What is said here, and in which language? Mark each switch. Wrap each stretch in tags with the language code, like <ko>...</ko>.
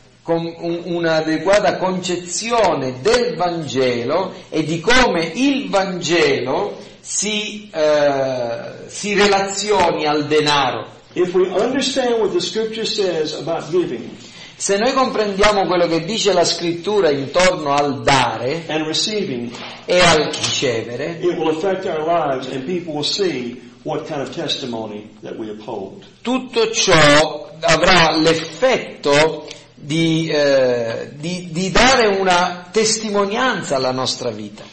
<it>un'adeguata concezione del Vangelo e di come il Vangelo si relazioni al denaro.</it> <en>If we understand what the scripture says about giving,</en> <it>se noi comprendiamo quello che dice la scrittura intorno al dare</it> <en>and receiving,</en> <it>e al ricevere,</it> <en>it will affect our lives and people will see what kind of testimony that we uphold.</en> <it>Tutto ciò avrà l'effetto di dare una testimonianza alla nostra vita.</it>